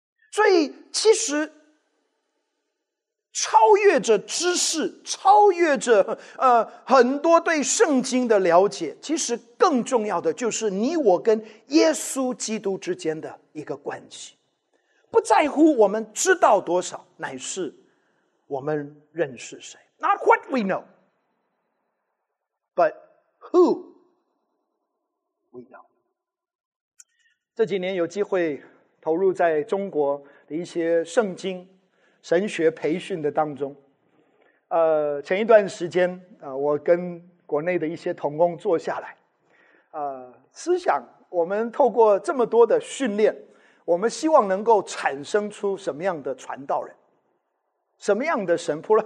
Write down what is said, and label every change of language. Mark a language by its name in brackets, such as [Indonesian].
[Chinese] 所以其实超越着知识，超越着很多对圣经的了解，其实更重要的就是你我跟耶稣基督之间的一个关系。不在乎我们知道多少，乃是我们认识谁。 [English] Not what we know, but who we know. [Chinese] 这几年有机会投入在中国的一些圣经神学培训的当中。前一段时间我跟国内的一些同工坐下来。思想我们透过这么多的训练，我们希望能够产生出什么样的传道人，什么样的神仆。